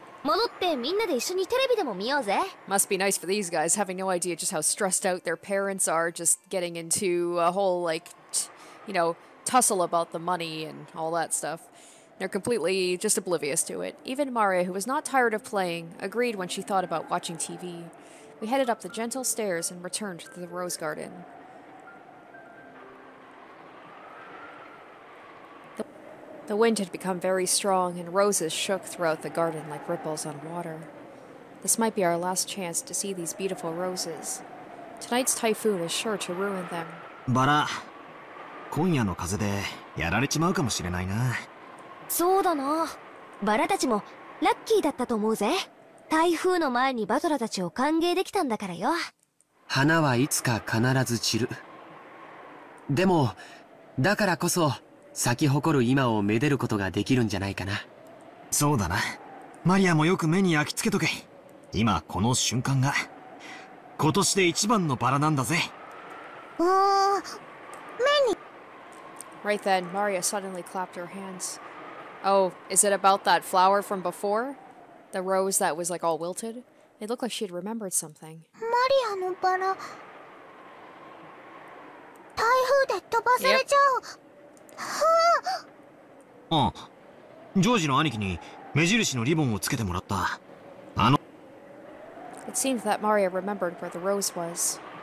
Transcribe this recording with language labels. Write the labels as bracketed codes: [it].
[ja] 戻ってみんなで一緒にテレビでも見ようぜ。 [en] Must be nice for these guys, having no idea just how stressed out their parents are, just getting into a whole, like, you know, tussle about the money and all that stuff. They're completely just oblivious to it. Even Maria, who was not tired of playing, agreed when she thought about watching TV. We headed up the gentle stairs and returned to the rose garden. The wind had become very strong, and roses shook throughout the garden like ripples on water. This might be our last chance to see these beautiful roses. Tonight's typhoon is sure to ruin them. [ja] Bara, 今夜の風でやられちまうかもしれないな。そうだな。バラたちもラッキーだったと思うぜ。台風の前にバトラたちを歓迎できたんだからよ。花はいつか必ず散る。でも、だからこそ、咲き誇る今をめでることができるんじゃないかな。そうだな。マリアもよく目に焼き付けとけ。今この瞬間が今年で一番のバラなんだぜ。目に。 [en] Right then, Maria suddenly clapped her hands. Oh, is it about that flower from before? The rose that was like all wilted? It looked like she had remembered something. [ja] マリアのバラ、台風で飛ばされちゃう。 [en] Yep. [ja] うん、ジョージの兄貴に目印のリボンをつけてもらった。あの。 [en] It seemed that Maria remembered where the rose was.